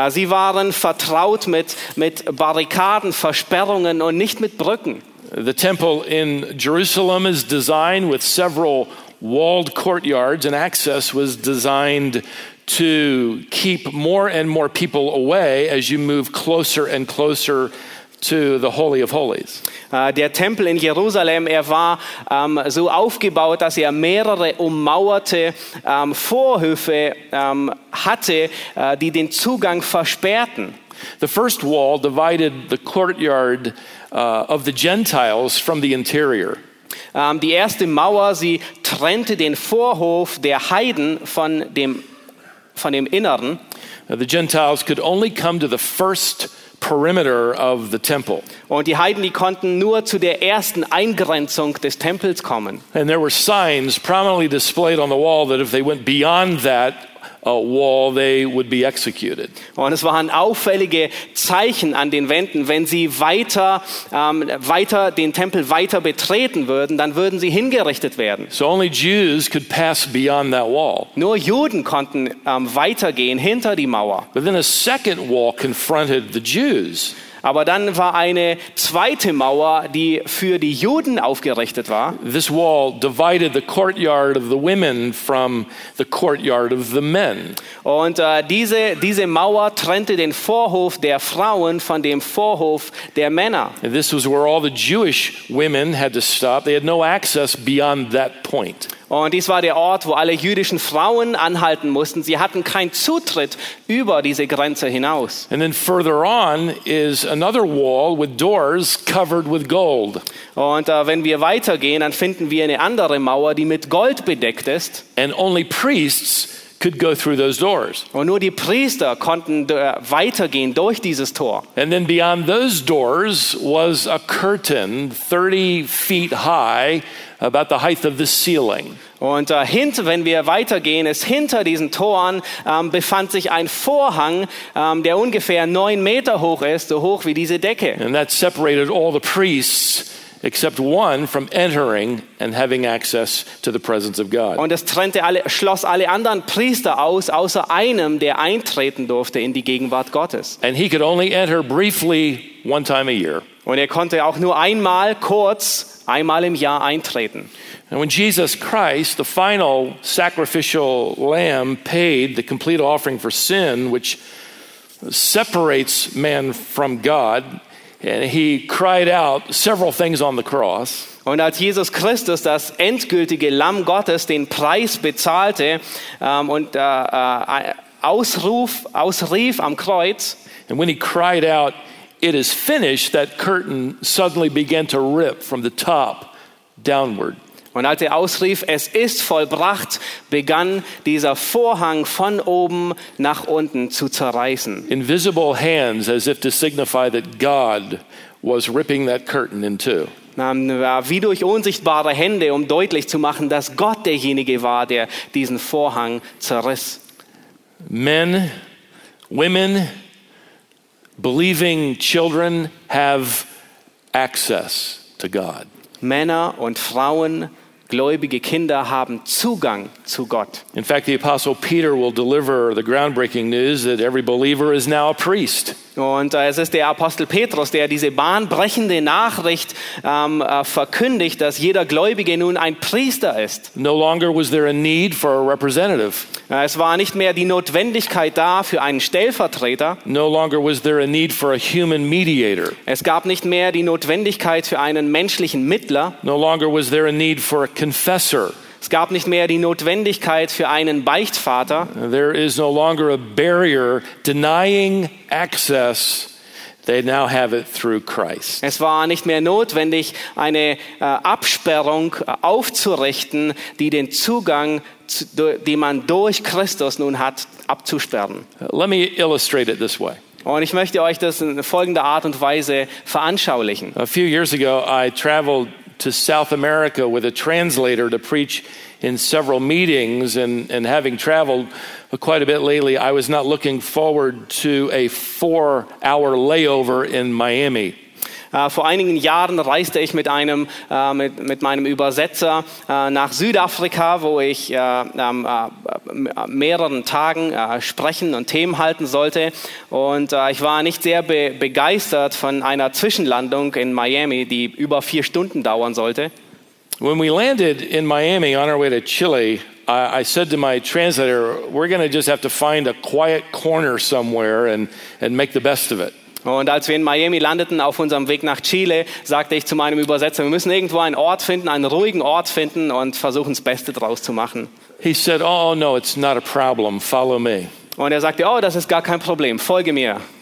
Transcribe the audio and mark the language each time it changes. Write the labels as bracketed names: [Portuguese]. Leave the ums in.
[German] sie waren vertraut mit, mit Barrikaden, Versperrungen und nicht mit Brücken. [English] The temple in Jerusalem is designed with several walled courtyards, and access was designed to keep more and more people away as you move closer and closer. To the Holy of Holies. [German] Uh, der Tempel in Jerusalem, er war um, so aufgebaut, dass er mehrere ummauerte um, Vorhöfe um, hatte, uh, die den Zugang versperrten. [English] The first wall divided the courtyard uh, of the Gentiles from the interior. [German] Ähm, um, die erste Mauer, sie trennte den Vorhof der Heiden von dem, von dem Inneren. [English] Now the Gentiles could only come to the first perimeter of the temple. [German] Und die Heiden, die konnten nur zu der ersten Eingrenzung des Tempels kommen. [English] And there were signs prominently displayed on the wall that if they went beyond that, a wall, they would be executed. [German] Und es waren auffällige Zeichen an den Wänden. Wenn sie weiter, ähm, um, weiter den Tempel weiter betreten würden, dann würden sie hingerichtet werden. [English] So only Jews could pass beyond that wall. [German] Nur Juden konnten ähm, um, weitergehen hinter die Mauer. [English] But then a second wall confronted the Jews. [German] Aber dann war eine zweite Mauer, die für die Juden aufgerichtet war. [English] This wall divided the courtyard of the women from the courtyard of the men. [German] Und uh, diese diese Mauer trennte den Vorhof der Frauen von dem Vorhof der Männer. [English] And this was where all the Jewish women had to stop. They had no access beyond that point. [German] Und dies war der Ort, wo alle jüdischen Frauen anhalten mussten. Sie hatten keinen Zutritt über diese Grenze hinaus. [English] And then further on is another wall with doors covered with gold. [German] Und uh, wenn wir weitergehen, dann finden wir eine andere Mauer, die mit Gold bedeckt ist. [English] And only priests could go through those doors. [German] nur die Priester konnten weitergehen durch dieses Tor. [English] And then beyond those doors was a curtain 30 feet high about the height of the ceiling. And behind, when we [German] wir weitergehen, ist hinter diesen Toren um, befand sich ein Vorhang, um, der ungefähr neun Meter hoch ist, so hoch wie diese Decke. [English] And that separated all the priests except one from entering and having access to the presence of God. [German] Und es trennte alle schloss alle anderen Priester aus außer einem der eintreten durfte in die Gegenwart Gottes. [English] And he could only enter briefly one time a year. [German] Und er konnte auch nur einmal kurz einmal im Jahr eintreten. [English] And when Jesus Christ the final sacrificial lamb paid the complete offering for sin which separates man from God and he cried out several things on the cross. [German] And als Jesus Christus das endgültige Lamm Gottes den Preis bezahlte um, und uh, uh, ausruf, ausrief am Kreuz. [English] And when he cried out, it is finished, that curtain suddenly began to rip from the top downward. [German] Und als er ausrief, es ist vollbracht, begann dieser Vorhang von oben nach unten zu zerreißen. [English] Invisible hands, as if to signify that God was ripping that curtain in two. [German] Wie durch unsichtbare Hände, um deutlich zu machen, dass Gott derjenige war, der diesen Vorhang zerriss. [English] Men, women, believing children have access to God. [German] Männer und Frauen, gläubige Kinder haben Zugang zu Gott. [English] In fact, the apostle Peter will deliver the groundbreaking news that every believer is now a priest. [German] Und es ist der Apostel Petrus, der diese bahnbrechende Nachricht um, verkündigt, dass jeder Gläubige nun ein Priester ist. [English] No longer was there a need for a representative. [German] Es war nicht mehr die Notwendigkeit da für einen Stellvertreter. [English] No longer was there a need for a human mediator. [German] Es gab nicht mehr die Notwendigkeit für einen menschlichen Mittler. [English] No longer was there a need for a confessor. [German] Es gab nicht mehr die Notwendigkeit für einen Beichtvater. [English] There is no longer a barrier denying access. They now have it through Christ. [German] Es war nicht mehr notwendig, eine Absperrung aufzurichten, die den Zugang die man durch Christus nun hat, abzusperren. [English] Let me illustrate it this way. And I [German] möchte euch das in folgender in und Weise veranschaulichen. [English] A few years ago I traveled to South America with a translator to preach in several meetings and, and having traveled quite a bit lately, I was not looking forward to a four hour layover in Miami. [German] Uh, vor einigen Jahren reiste ich mit einem, uh, mit, mit, meinem Übersetzer uh, nach Südafrika, wo ich um, mehreren Tagen sprechen und Themen halten sollte. Und ich war nicht sehr be begeistert von einer Zwischenlandung in Miami, die über vier Stunden dauern sollte. [English] When we landed in Miami on our way to Chile, I, I said to my translator, we're going to just have to find a quiet corner somewhere and, and make the best of it. [German] Und als wir in Miami landeten auf unserem Weg nach Chile, sagte ich zu meinem Übersetzer, wir müssen irgendwo einen Ort finden, einen ruhigen Ort finden und versuchen das Beste draus zu machen. [English] Said, oh, no, [German] und er sagte, oh, das ist gar kein Problem. Folge mir.